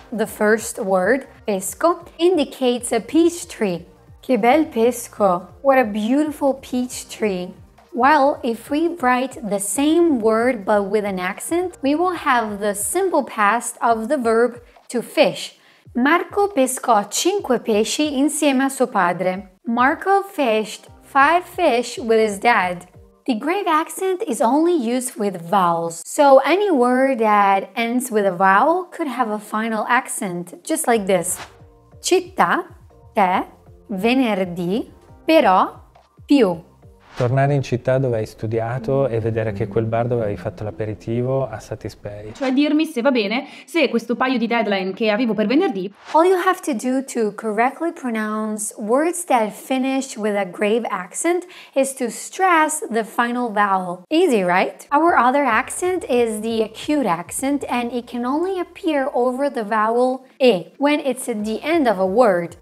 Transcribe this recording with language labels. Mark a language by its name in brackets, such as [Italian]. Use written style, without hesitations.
[English] The first word, pesco, indicates a peach tree. [Italian] Che bel pesco! [English] What a beautiful peach tree! Well, if we write the same word but with an accent, we will have the simple past of the verb to fish. [Italian] Marco pescò cinque pesci insieme a suo padre. [English] Marco fished five fish with his dad. The grave accent is only used with vowels, so any word that ends with a vowel could have a final accent, just like this. [Italian] Città, te, venerdì, però, più. Tornare in città dove hai studiato e vedere che quel bar dove avevi fatto l'aperitivo ha satisfatto. Cioè dirmi se va bene, se questo paio di deadline che avevo per venerdì. [English] All you have to do to correctly pronounce words that finish with a grave accent is to stress the final vowel. Easy, right? Our other accent is the acute accent and it can only appear over the vowel e when it's at the end of a word.